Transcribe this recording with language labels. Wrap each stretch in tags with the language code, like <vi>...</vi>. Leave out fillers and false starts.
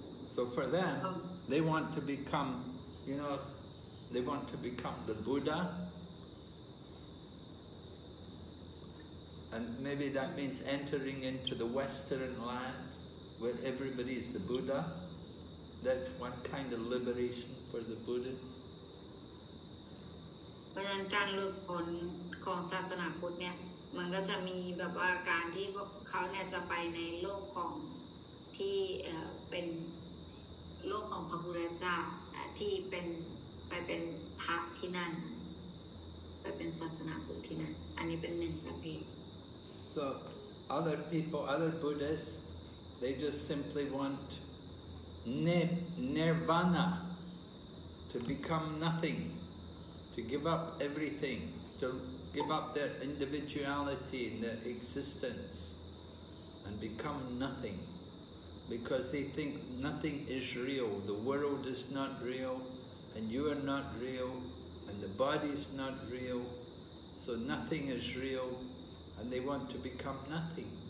<en>So for them, they want to become, you know, they want to become the Buddha. And maybe that means entering into the Western land where everybody is the Buddha. That's one kind of liberation for the Buddhists.</en> <th>เพราะฉะนั้นการหลุดพ้นของศาสนาพุทธเนี่ยมันก็จะมีแบบว่าการที่เขาเนี่ยจะไปในโลกของที่เป็นโลกของพระพุทธเจ้าที่เป็นไปเป็นพระที่นั่นไปเป็นศาสนาพุทธที่นั่นอันนี้เป็นหนึ่งประเภท</th> <en>So other people, other Buddhists, they just simply want. Nirvana, to become nothing, to give up everything, to give up their individuality and their existence, and become nothing, because they think nothing is real, the world is not real, and you are not real, and the body is not real, so nothing is real, and they want to become nothing.</en>